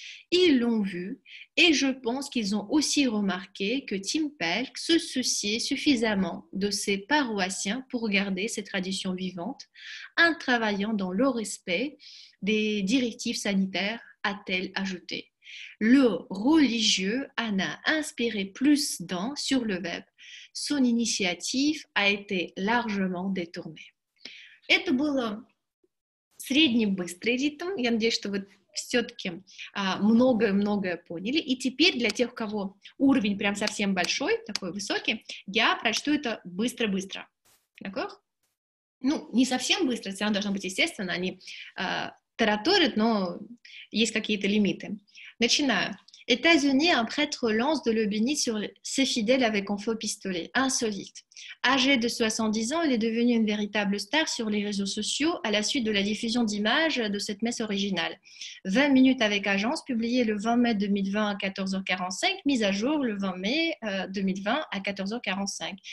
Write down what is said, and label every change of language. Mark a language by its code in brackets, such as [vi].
[fr] Ils l'ont vu et je pense qu'ils ont aussi remarqué que Tim Pelk se souciait suffisamment de ses paroissiens pour garder ses traditions vivantes en travaillant dans le respect des directives sanitaires, a-t-elle ajouté. Le religieux en a inspiré plus d'un sur le web. Son initiative a été largement détournée. [ru] Это был средне-быстрый ритм. Я надеюсь, что вы все-таки многое-многое поняли. И теперь для тех, у кого уровень прям совсем большой, такой высокий, я прочту это быстро-быстро. [fr] D'accord? [ru] Ну, не совсем быстро, все равно должно быть естественно. Они тараторят, но есть какие-то лимиты. Начинаю. [fr] États-Unis, un prêtre lance de l'eau bénite sur ses fidèles avec un faux pistolet. Insolite. Âgé de 70 ans, il est devenu une véritable star sur les réseaux sociaux à la suite de la diffusion d'images de cette messe originale. 20 minutes avec agence, publiée le 20 mai 2020 à 14h45, mise à jour le 20 mai 2020 à 14h45.